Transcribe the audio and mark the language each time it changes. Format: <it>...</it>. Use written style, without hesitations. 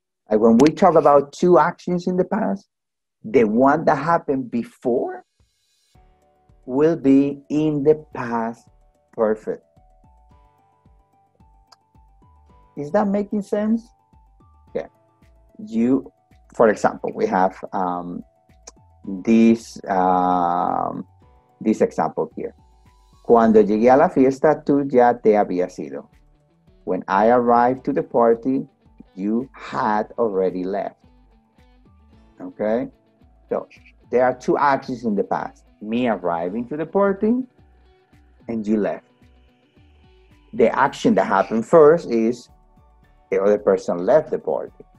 <en>Like when we talk about two actions in the past, the one that happened before will be in the past perfect. Is that making sense? Yeah. You, for example, we have this example here.</en> <es>Cuando llegué a la fiesta, tú ya te habías ido.</es> <en>When I arrived to the party, you had already left. Okay? So, there are two actions in the past. Me arriving to the party and you left. The action that happened first is the other person left the party.</en>